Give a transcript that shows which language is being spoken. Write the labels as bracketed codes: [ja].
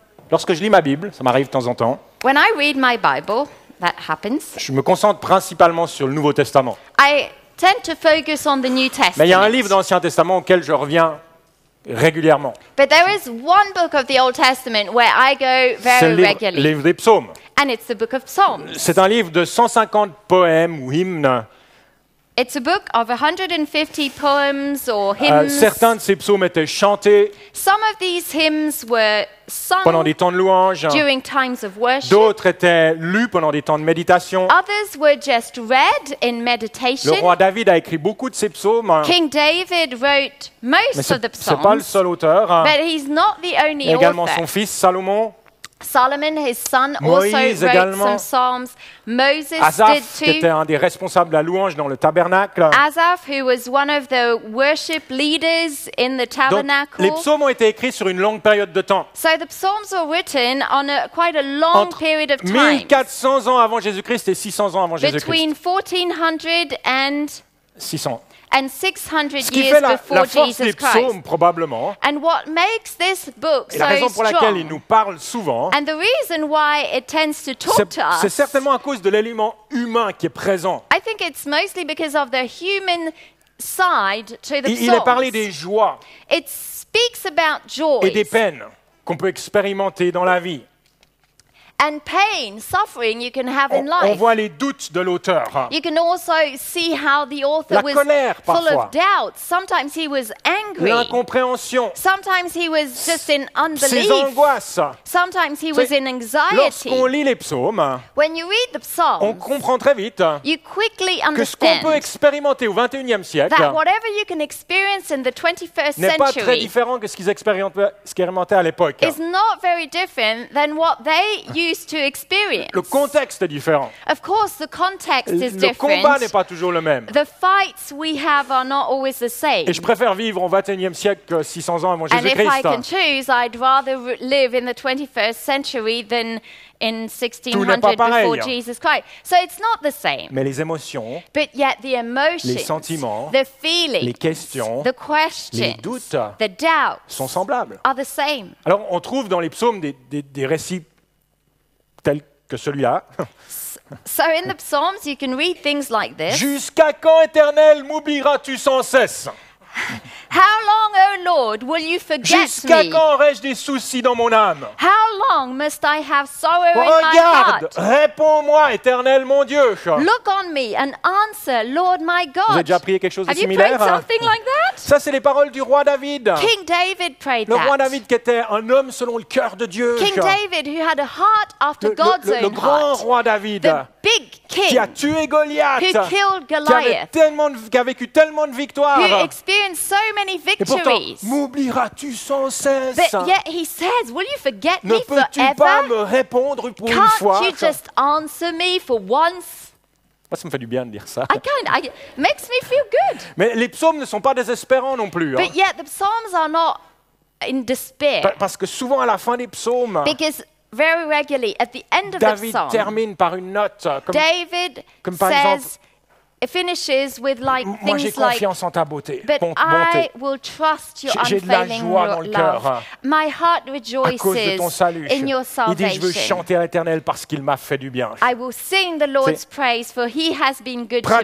[fr] Lorsque je lis ma Bible, ça m'arrive de temps en temps. [en] When I read my Bible, that happens. [fr] Je me concentre principalement sur le Nouveau Testament. [en] I tend to focus on the New Testament. [fr] Mais il y a un livre d'Ancien Testament auquel je reviens régulièrement. [en] But there is one book of the Old Testament where I go very regularly. [fr] Le livre des Psaumes. [en] And it's the book of Psalms. [fr] C'est un livre de 150 poèmes ou hymnes. [en] It's a book of 150 poems or hymns. [fr] Certains de ces psaumes étaient chantés. [en] Some of these hymns were sung [fr] pendant des temps de louange. [en] During times of worship. [fr] D'autres étaient lus pendant des temps de méditation. [en] Others were just read in meditation. [fr] Le roi David a écrit beaucoup de ces psaumes. [en] King David wrote most of the psalms. [fr] C'est pas le seul auteur. [en] But he's not the only author. [fr] Également son fils Salomon. [en] Solomon, his son, [fr] Moïse [en] also wrote [fr] également. [en] Some psalms. Moses Asaph, did too. [fr] Qui était un des responsables de la louange dans le tabernacle. [en] Asaph, who was one of the worship leaders in the tabernacle. [fr] Donc, les psaumes ont été écrits sur une longue période de temps. [en] So the psalms were written on quite a long [fr] Entre [en] period of time. [fr] 1400 ans avant Jésus-Christ et 600 ans avant Jésus-Christ. [en] Between 1400 and 600. And 600 [fr] Ce qui [en] years [fr] fait la force des psaumes, [en] Christ. [fr] Probablement, [en] and what makes this book [fr] et la raison [en] so [fr] pour laquelle [en] strong, [fr] il nous parle souvent, [en] and the reason why it tends to talk [fr] c'est, [en] to us, [fr] c'est certainement à cause de l'élément humain qui est présent. [en] I think it's mostly because of the human side to the psalms. [fr] Il est parlé des joies [en] it speaks about joys [fr] et des peines qu'on peut expérimenter dans la vie. [en] And pain, suffering you can have in life. [fr] On voit les doutes de l'auteur. [en] You can also see how the author [fr] La colère, [en] was full [fr] parfois. [en] Of doubt. Sometimes he was angry. [fr] L'incompréhension. [en] Sometimes he was just in unbelief. [fr] Ses angoisses. [en] Sometimes he was in anxiety. [fr] Lorsqu'on lit les psaumes, [en] when you read the psalms, [fr] on comprend très vite [en] you quickly understand [fr] que ce qu'on peut expérimenter au 21e siècle [en] that whatever you can experience in the 21st [fr] n'est [en] century [fr] pas très différent que ce qu'ils expérimentaient à l'époque. [en] Is not very different than what they used to experience. [fr] Le contexte est différent. [en] Of course, the context is different. [fr] Le combat n'est pas toujours le même. [en] The fights we have are not always the same. [fr] Et je préfère vivre au 21e siècle que 600 ans avant Jésus-Christ. [en] And if I can choose, I'd rather live in the 21st century than in 1600 before Jesus Christ. So it's not the same. [fr] Mais les émotions, [en] but yet the emotions, [fr] les sentiments, [en] the feelings, [fr] les questions, [en] the questions, [fr] les doutes, [en] the doubts [fr] sont semblables. [en] Are the same. [fr] Alors on trouve dans les psaumes des récits tel que celui-là. [en] So in the Psalms, you can read things like this. [fr] Jusqu'à quand, Éternel, m'oublieras-tu sans cesse? [en] How long, O Lord, will you forget [fr] Jusqu'à [en] me? [fr] Jusqu'à quand aurai-je des soucis dans mon âme? [en] How long must I have sorrow [fr] Regarde, [en] in my heart? [fr] Regarde, réponds-moi, Éternel, mon Dieu. [en] Look on me and answer, Lord, my God. [fr] Vous avez déjà prié quelque chose [en] have [fr] de similaire? [en] Have you prayed something like that? [fr] Ça, c'est les paroles du roi David. [en] King David prayed [fr] le [en] that. [fr] Le roi David, qui était un homme selon le cœur de Dieu. [en] King David, who had a heart after God's own heart. [fr] Le grand roi David. [en] The big king. [fr] Qui a tué Goliath. [en] Who killed Goliath. [fr] Qui a vécu tellement de victoires. [en] Who experienced so many victories. [fr] Et pourtant, m'oublieras-tu sans cesse? [en] But yet he says, will you forget [fr] ne [en] me forever? [fr] Ne peux-tu pas me répondre pour [en] Can't [fr] une fois? [en] Can't you just answer me for once? [fr] Ça me fait du bien de dire ça. [en] I makes me feel good. [fr] Mais les psaumes ne sont pas désespérants non plus. [en] But yet the psalms are not in despair. [fr] Parce que souvent à la fin des psaumes, [en] because very regularly at the end of David the psalm, [fr] termine par une note. Comme, David comme par [en] says, [fr] exemple, [en] it finishes with like things [fr] moi j'ai confiance [en] like, [fr] en ta beauté. [en] But [fr] bonté. [en] I will trust your [fr] j'ai [en] unfailing [fr] de la joie dans le cœur. [en] My heart rejoices [fr] à cause de ton salut. [en] In your salvation. [fr] Il dit je veux chanter à l'Éternel parce qu'il m'a fait du bien. [en] I will sing the Lord's [fr] C'est [en] praise for he has been good to me.